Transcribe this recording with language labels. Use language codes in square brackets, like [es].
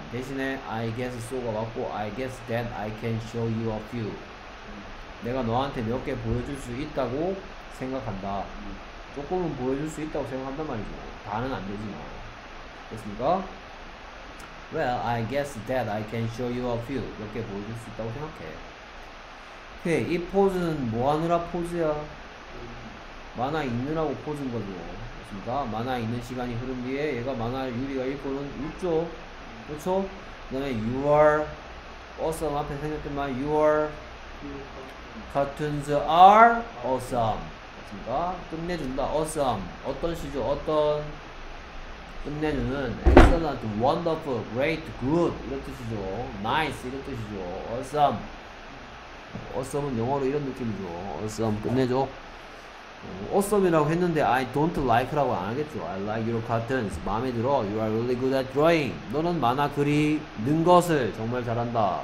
[ko] 대신에 [en] I guess so가 맞고 I guess that I can show you a few. [ko] 내가 너한테 몇개 보여줄 수 있다고 생각한다. 조금은 보여줄 수 있다고 생각한단 말이죠. 다는 안 되지만. 됐습니까? [en] Well, I guess that I can show you a few. [ko] 몇개 보여줄 수 있다고 생각해. 오케이, 이 포즈는 뭐 하느라 포즈야? 만화 읽느라고 포즈인 거죠. 됐습니까? 만화 읽는 시간이 흐른 뒤에 얘가 만화를 유리가 읽고는 읽죠. 그렇죠? 그다음에 [en] you are awesome [ko] 앞에 생겼던 말 [en] you are cartoons are awesome. [ko] 됐습니까? 끝내준다. Awesome. 어떤 시죠? 어떤 끝내주는 [en] excellent, wonderful, great, good [ko] 이런 뜻이죠. nice 이런 뜻이죠. awesome. awesome은 영어로 이런 느낌이죠. awesome 끝내줘. [en] awesome이라고 했는데 I don't like [ko] 라고 안 하겠죠. [en] I like your cartoons. [ko] 마음에 들어. [en] You are really good at drawing. [ko] 너는 만화 그리는 것을 정말 잘한다.